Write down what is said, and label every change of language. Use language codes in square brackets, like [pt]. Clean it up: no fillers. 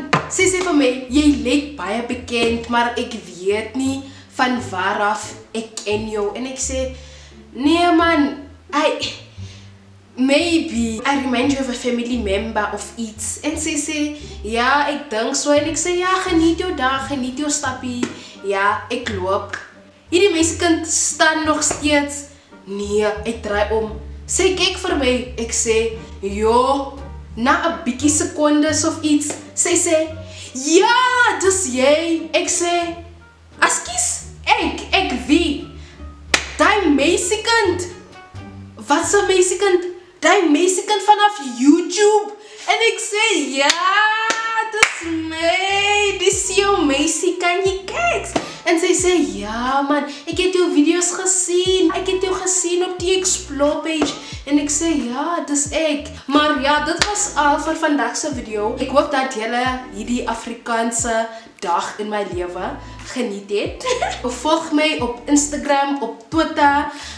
[af] Sy sê vir my, jy lyk baie bekend, maar ek weet nie van waaraf ek ken jou. En ek sê, nee man, [en] maybe I remind you of a family member [af] of iets. En sy sê, ja, ek dink so. En ek sê, ja, geniet jou dag, geniet jou stappie. Ja, ek loop. Hierdie mensekind staan nog steeds. Nee, ek draai om. Sy kyk vir my, ek sê, jo, na a bietjie sekondes of iets, sy sê, ja, dis jy. Ek sê, askies, ek wie? Die mesekind. Wat is die mesekind? Die mesekind vanaf YouTube. En ek sê, ja, dis my, dis jou mesekind, jy kyks. En sy sê, ja man, ek het jou video's gesien. Ek het jou gesien op die Explore page. En ek sê, ja, dis ek. Maar ja, dit was al vir vandagse video. Ek hoop dat jylle hierdie Afrikaanse dag in my lewe geniet het. Volg my op Instagram, op Twitter.